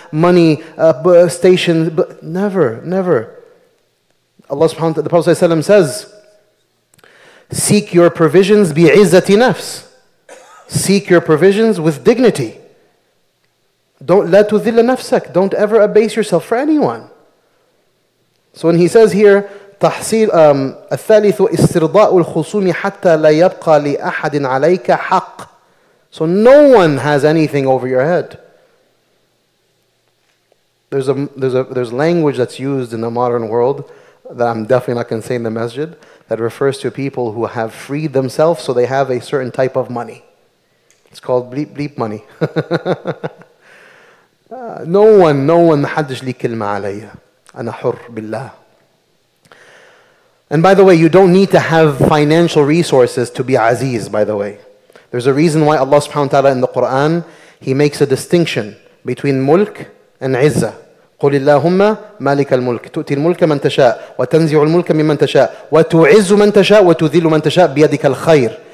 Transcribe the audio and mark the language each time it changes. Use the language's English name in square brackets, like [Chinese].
[English] Money, station. Never. Allah subhanahu wa ta'ala, the Prophet sallallahu alayhi wa sallam says, seek your provisions [Arabic] bi izzati nafs. [English] Seek your provisions with dignity. Don't [Arabic] la tudhilla nafsak. [English] Don't ever abase yourself for anyone. So when he says here, [Arabic] تحصيل الثالث استرضاء الخصوم حتى لا يبقى لأحد عليك حق. So no one has anything over your head. [English] There's a language that's used in the modern world that I'm definitely not going to say in the masjid that refers to people who have freed themselves so they have a certain type of money. It's called bleep bleep money. no one [Arabic] حدش لي كلمة عليا. أنا حر بالله. [English] And by the way, you don't need to have financial resources to be aziz, by the way. There's a reason why Allah subhanahu wa ta'ala in the Qur'an, He makes a distinction between mulk and izzah. [Arabic] قُلِ اللَّهُمَّ مَالِكَ الْمُلْكِ تُؤْتِي الْمُلْكَ مَنْ تَشَاءُ وَتَنْزِعُ الْمُلْكَ مِمَنْ تَشَاءُ وَتُعِزُّ مَنْ تَشَاءُ وَتُذِلُّ مَنْ تَشَاءُ بِيَدِكَ الْخَيْرِ